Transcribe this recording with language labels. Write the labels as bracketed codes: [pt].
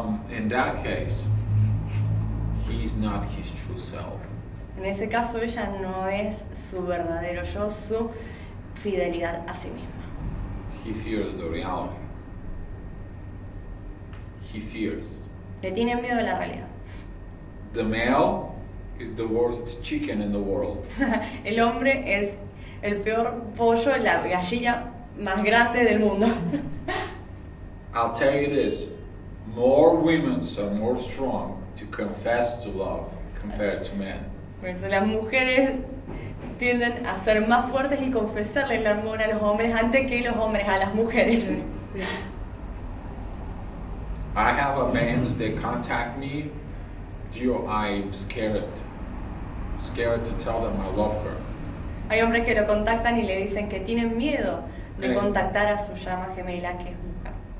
[en] In that case, he is not his true self. [es] En ese caso, ella no es su verdadero yo, su fidelidad a sí misma. [en] He fears the reality. He fears. [es] Le tiene miedo a la realidad. [en] The male is the worst chicken in the world. [es] El hombre es el peor pollo, la gallina más grande del mundo. [en] I'll tell you this, more women are more strong to confess to love compared to men. [es] Pues las mujeres tienden a ser más fuertes y confesarle el amor a los hombres antes que los hombres a las mujeres. Sí, sí. [en] I have a man that contact me, I'm scared to tell them I love her. [es] Hay hombres que lo contactan y le dicen que tienen miedo de contactar a su llama gemela, que es mujer.